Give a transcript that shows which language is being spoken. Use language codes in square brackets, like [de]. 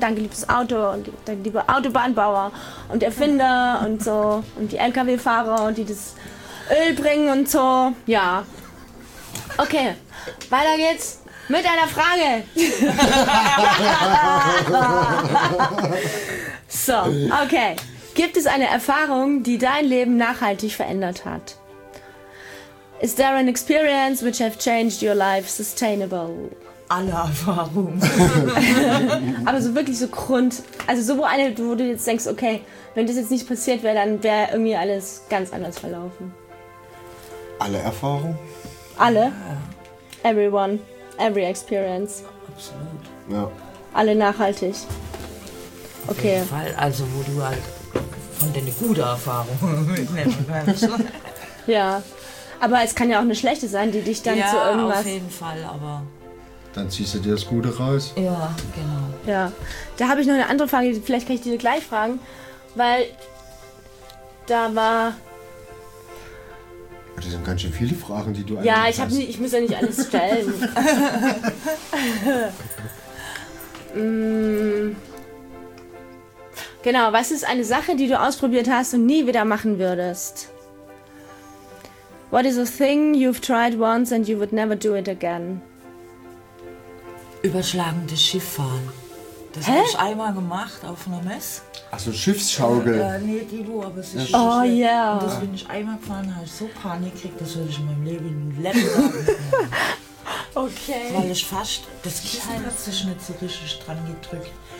[de] Danke, liebes Auto und danke, liebe Autobahnbauer und Erfinder und so und die LKW-Fahrer, die das Öl bringen und so. Ja. Okay, weiter geht's. Mit einer Frage. So, okay. Gibt es eine Erfahrung, die dein Leben nachhaltig verändert hat? [en] Is there an experience which have changed your life sustainable? [de] Alle Erfahrungen. Aber so wirklich so Grund, also so wo eine, wo du jetzt denkst, okay, wenn das jetzt nicht passiert wäre, dann wäre irgendwie alles ganz anders verlaufen. Alle Erfahrungen? Alle? [en] Everyone. Every experience. [de] Absolut. Ja. Alle nachhaltig. Okay. Auf jeden Fall, also wo du halt von deine gute Erfahrung mitnehmen kannst. Ja. Aber es kann ja auch eine schlechte sein, die dich dann ja, zu irgendwas... Ja, auf jeden Fall, aber... Dann ziehst du dir das Gute raus. Ja, genau. Ja. Da habe ich noch eine andere Frage, vielleicht kann ich die gleich fragen, weil da war... Das sind ganz schön viele Fragen, die du ja, eigentlich hast. Ja, ich muss ja nicht alles stellen. Genau, was ist eine Sache, die du ausprobiert hast und nie wieder machen würdest? [en] What is a thing you've tried once and you would never do it again? [de] Überschlagendes Schiff fahren. Das habe ich einmal gemacht auf einer Mess. Achso, Schiffsschaukel. Nee, die du, aber es ist schon. Oh ja. Yeah. Und das bin ich einmal gefahren, habe ich so Panik gekriegt, das würde ich in meinem Leben nicht. Okay. Weil ich fast, das Kissen hat sich nicht so richtig dran gedrückt.